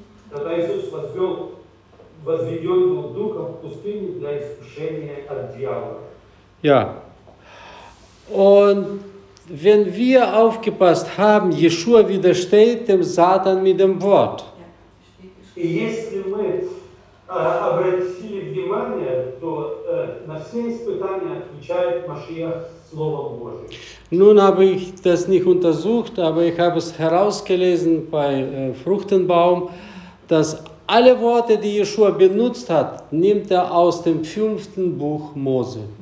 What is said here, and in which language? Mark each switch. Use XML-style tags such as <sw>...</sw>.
<ru>Тогда Иисус возведен был духом в пустыне для искушения от дьявола.</ru> <de>Ja. Und wenn wir aufgepasst haben, Jeschua widersteht dem Satan mit dem Wort.</de> <ru>И если мы обратили внимание, то на все испытания отвечает Машиах Словом Божьим.</ru> <de>Nun habe ich das nicht untersucht, aber ich habe es herausgelesen bei Fruchtenbaum, dass alle Worte, die Jeschua benutzt hat, nimmt er aus dem 5. Buch Mose.</de>